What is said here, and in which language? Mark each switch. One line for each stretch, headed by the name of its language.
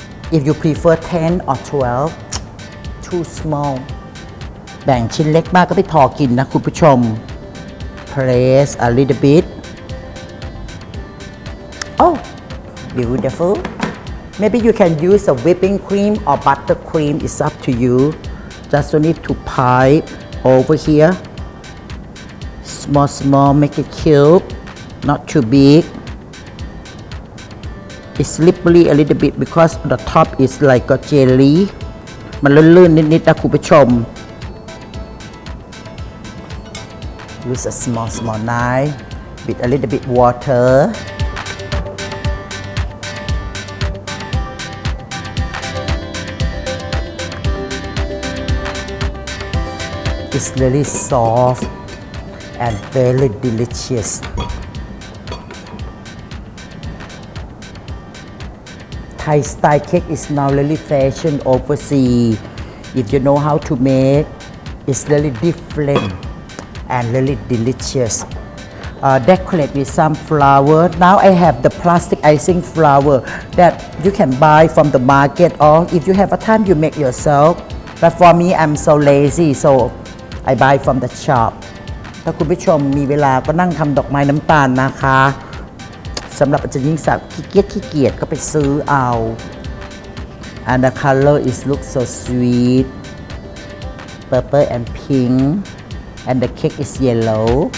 English: If you prefer 10 or 12 Too small
Thai: แบ่งชิ้นเล็กมากก็ไม่พอกินนะคุณผู้ชม
English: Place a little bit Oh beautiful Maybe you can use a whipping cream or butter cream It's up to you Just need to pipe over hereSmall, small, make it cute, not too big. It's slippery a little bit because the top is like a jelly.
Thai: มันลื่นๆนิดๆนะคุณผู้ชม
English: Use a small, small knife with a little bit water. It's really soft. And very delicious. Thai style cake is now really fashion overseas. If you know how to make, it's really different and really delicious. Decorate with some flour. Now I have the plastic icing flour that you can buy from the market or if you have a time you make yourself. But for me, I'm so lazy, so I buy from the shop.
Thai: ถ้าคุณผู้ชมมีเวลาก็นั่งทำดอกไม้น้ำตาลนะคะสำหรับอาจารย์ยิ่งศักดิ์ขี้เกียจก็ไปซื้อเอา
English: And the color is look so sweet Purple and pink And the cake is yellow